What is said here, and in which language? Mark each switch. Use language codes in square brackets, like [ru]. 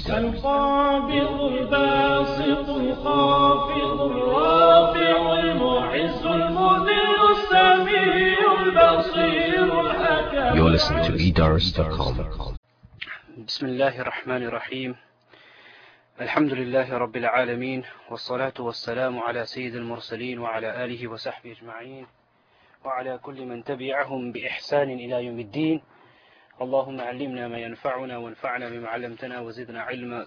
[ar] القابض الباسط الخافض الرافع المعز المذل السميع البصير الحكيم. [en] You're listening to Eidars.com. [ar] بسم الله الرحمن الرحيم. الحمد لله رب العالمين، والصلاة والسلام على سيد المرسلين وعلى آله وصحبه أجمعين، وعلى كل من تبعهم بإحسان إلى يوم الدين. اللهم علمنا ما ينفعنا، وانفعنا بما علمتنا، وزدنا علما.